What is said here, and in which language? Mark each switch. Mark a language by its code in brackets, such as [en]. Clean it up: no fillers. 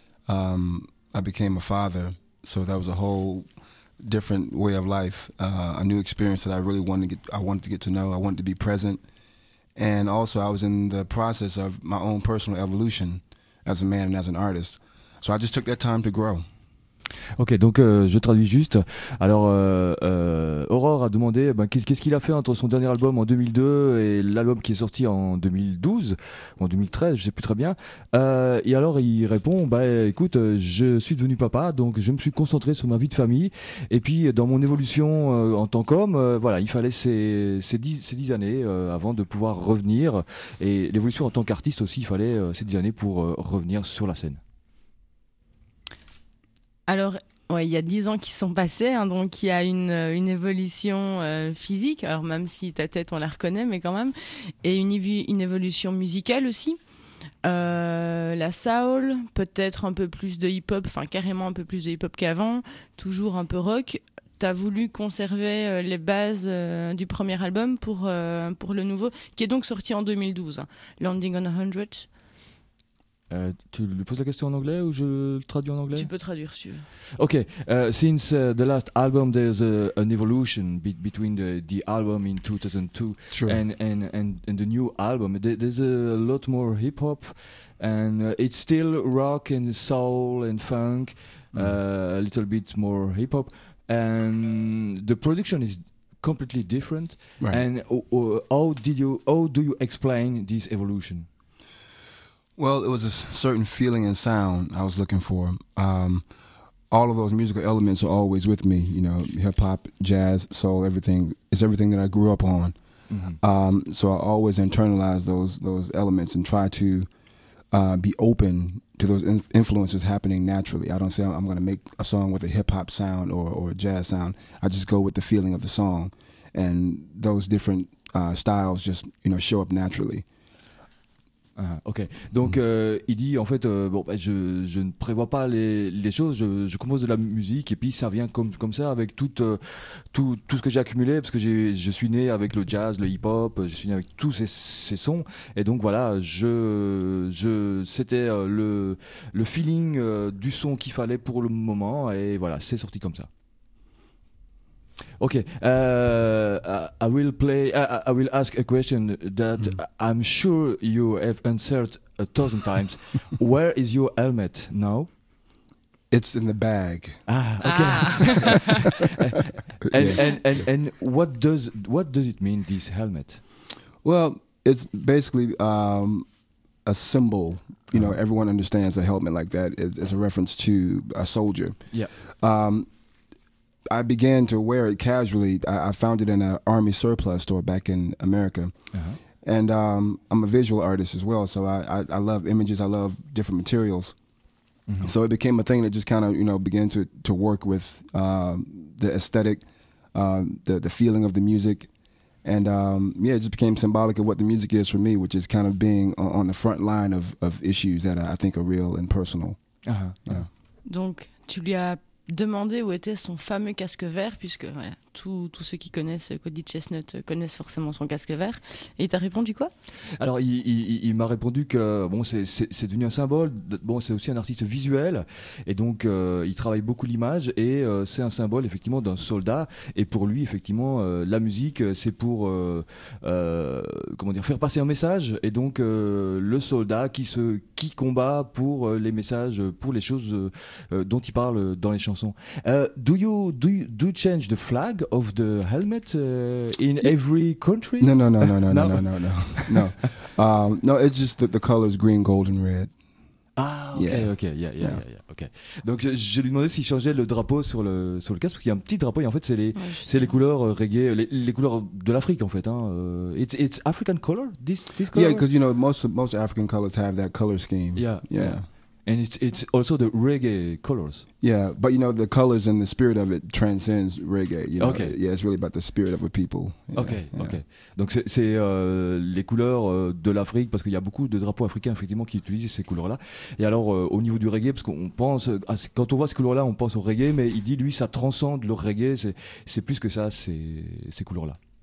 [en] I became a father, so that was a whole different way of life, a new experience that I really wanted to get. I wanted to get to know. I wanted to be present, and also I was in the process of my own personal evolution as a man and as an artist. So I just took that time to grow. [fr] Ok, donc je traduis juste. Alors, Aurore a demandé ben, qu'est-ce qu'il a fait entre son dernier album en 2002 et l'album qui est sorti en 2012, ou en 2013, je ne sais plus très bien. Et alors, il répond, écoute, je suis devenu papa, donc je me suis concentré sur ma vie de famille. Et puis, dans mon évolution en tant qu'homme, voilà, il fallait ces dix années avant de pouvoir revenir. Et l'évolution en tant qu'artiste aussi, il fallait ces 10 années pour revenir sur la scène. Alors, ouais, il y a 10 ans qui sont passés, hein, donc il y a une évolution physique, alors même si ta tête, on la reconnaît, mais quand même, et une évolution musicale aussi. La soul, peut-être un peu plus de hip-hop, enfin carrément un peu plus de hip-hop qu'avant, toujours un peu rock. T'as voulu conserver les bases du premier album pour le nouveau, qui est donc sorti en 2012, hein, Landing on 100. Tu lui poses la question en anglais ou je le traduis en anglais? Tu peux traduire, si tu veux. [en] Ok, since the last album, there's an evolution between the album in 2002 and the new album. There's a lot more hip hop and it's still rock and soul and funk, a little bit more hip hop. And the production is completely different. Right. And how do you explain this evolution? Well, it was a certain feeling and sound I was looking for. All of those musical elements are always with me, you know, hip-hop, jazz, soul, everything. It's everything that I grew up on. Mm-hmm. So I always internalize those elements and try to be open to those influences happening naturally. I don't say I'm going to make a song with a hip-hop sound or a jazz sound. I just go with the feeling of the song. And those different styles just, you know, show up naturally. [fr] Ah, ok, donc il dit en fait, je ne prévois pas les choses, je compose de la musique et puis ça vient comme ça avec tout ce que j'ai accumulé parce que je suis né avec le jazz, le hip-hop, je suis né avec tous ces sons et donc voilà, c'était le feeling du son qu'il fallait pour le moment et voilà, c'est sorti comme ça. [en] Okay, I will ask a question that I'm sure you have answered 1,000 times. Where is your helmet now? It's in the bag. Ah, okay. And what does it mean, this helmet? Well, it's basically a symbol. You know, everyone understands a helmet like that. It's a reference to a soldier. Yeah. I began to wear it casually. I found it in an army surplus store back in America. Uh-huh. And I'm a visual artist as well, so I love images, I love different materials. Mm-hmm. So it became a thing that just kind of, you know, began to work with the aesthetic, the feeling of the music. And yeah, it just became symbolic of what the music is for me, which is kind of being on the front line of issues that I think are real and personal. Uh-huh. Yeah. [fr] Donc, tu lui as demandé où était son fameux casque vert, puisque voilà, tous ceux qui connaissent Cody Chestnut connaissent forcément son casque vert. Et il t'a répondu quoi? Alors, il m'a répondu que bon, c'est devenu un symbole. Bon, c'est aussi un artiste visuel, et donc il travaille beaucoup l'image, et c'est un symbole effectivement d'un soldat. Et pour lui, effectivement, la musique, c'est pour comment dire, faire passer un message. Et donc le soldat qui combat pour les messages, pour les choses dont il parle dans les chansons. [en] Do you change the flag of the helmet in every country? No. No, it's just that the colors green, gold and red. Ah, okay, yeah. Okay. [fr] Donc je lui demandais s'il changeait le drapeau sur le casque, parce qu'il y a un petit drapeau, et en fait c'est les couleurs reggae, les couleurs de l'Afrique en fait, hein. [en] It's African color, this color? Yeah, because you know most African colors have that color scheme. Yeah. And it's also the reggae colors. Yeah, but you know, the colors and the spirit of it transcends reggae. You know? Okay. Yeah, it's really about the spirit of a people. Yeah, okay, yeah. Okay. [fr] Donc c'est les couleurs de l'Afrique, parce qu'il y a beaucoup de drapeaux africains, effectivement, qui utilisent ces couleurs-là. Et alors, au niveau du reggae, parce qu'on pense, quand on voit ces couleurs-là, on pense au reggae, mais il dit, lui, ça transcende le reggae, c'est plus que ça, ces couleurs-là.